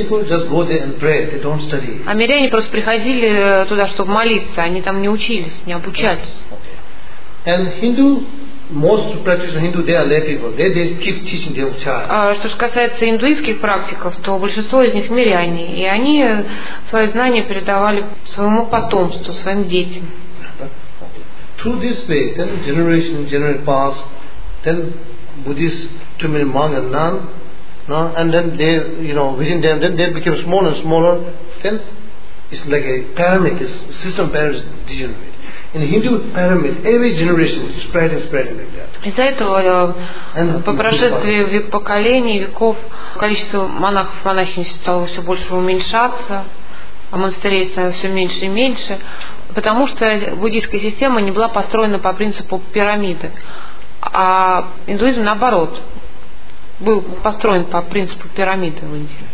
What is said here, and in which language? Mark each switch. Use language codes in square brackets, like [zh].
[ru] А миряне просто приходили туда, чтобы молиться, они там не учились, не обучались. Что же касается индуистских практиков, то большинство из них миряне, и они свои знания передавали своему потомству, своим детям. [en] Through this way, then generation in generation pass, then Buddhists, too many monks and nuns, and then they, you know, within them, then they became smaller and smaller. Then it's like a pyramid, a system pyramid degenerate. In Hindu pyramid, every generation is spread and spreading like that. [ru] Из-за этого по прошествии поколений, веков, количество монахов и монахинь стало все больше уменьшаться, а монастырей стало все меньше и меньше, потому что буддийская система не была построена по принципу пирамиды, а индуизм наоборот был построен по принципу пирамиды в Индии.